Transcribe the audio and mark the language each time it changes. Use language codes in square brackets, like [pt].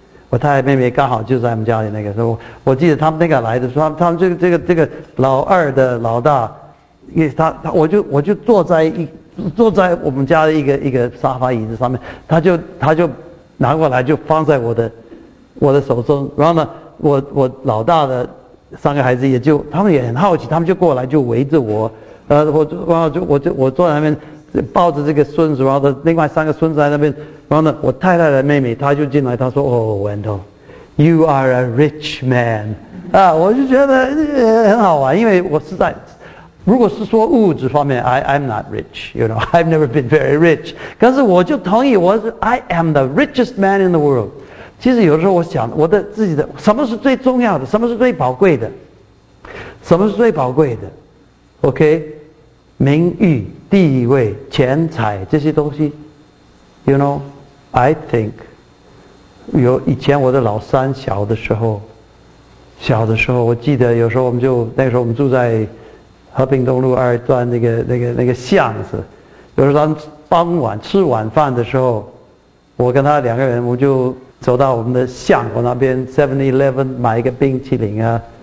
[zh] 我太太妹妹刚好就在我们家里那个时候，我记得他们那个来的时候，他们这个老二的老大，他我就坐在我们家的一个沙发椅子上面，他就拿过来就放在我的手中，然后呢，我老大的三个孩子也就他们也很好奇，他们就过来就围着我，我坐在那边抱着这个孙子，然后另外三个孙子在那边。然后呢，我太太的妹妹她就进来，她说 ： [en] “Oh, Wendell, you are a rich man。” [zh] 啊，我就觉得很好玩，因为我是在，如果是说物质方面 ， [en] I'm not rich, you know, I've never been very rich。 [zh] 可是我就同意， [en] I am the richest man in the world。 [zh] 其实有的时候我想，我的自己的什么是最重要的，什么是最宝贵的，什么是最宝贵的 ？OK， 名誉、地位、钱财这些东西。 [en] You know, I think, [zh] 有以前我的老三小的时候，我记得有时候我们就那个时候我们住在和平东路二段那个巷子，有时候他们傍晚吃晚饭的时候，我跟他两个人我们就走到我们的巷口那边 7-Eleven 买一个冰淇淋啊。